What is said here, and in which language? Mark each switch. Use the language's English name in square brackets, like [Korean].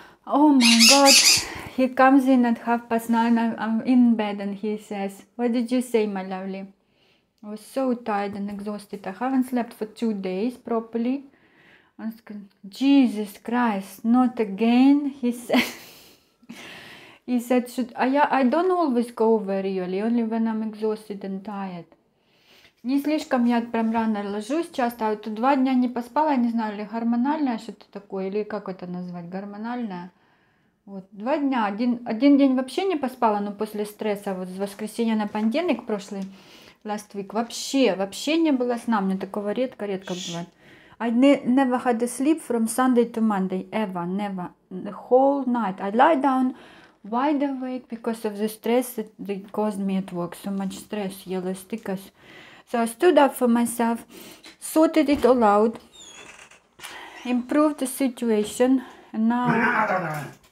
[English] Oh my god, he comes in at 9:30, I'm in bed, and he says, what did you say, my lovely? I was so tired and exhausted, I haven't slept for 2 days properly. I was like, Jesus Christ, not again, he said. I don't always go very early, only when I'm exhausted and tired. [Russian] Не слишком я прям рано ложусь часто, а тут 2 дня не поспала, я не знаю, или гормональное что-то такое, или как это назвать, гормональное. Вот, 2 дня. Один день вообще не поспала, но после стресса, вот с воскресенья на понедельник прошлый, [English] last week, [Russian] вообще не было сна. Мне такого редко бывает. [English] I never had a sleep from Sunday to Monday. Ever, never. The whole night. I lie down wide awake because of the stress that caused me at work. So much stress, yellow stickers. So I stood up for myself, sorted it all out, improved the situation, and now...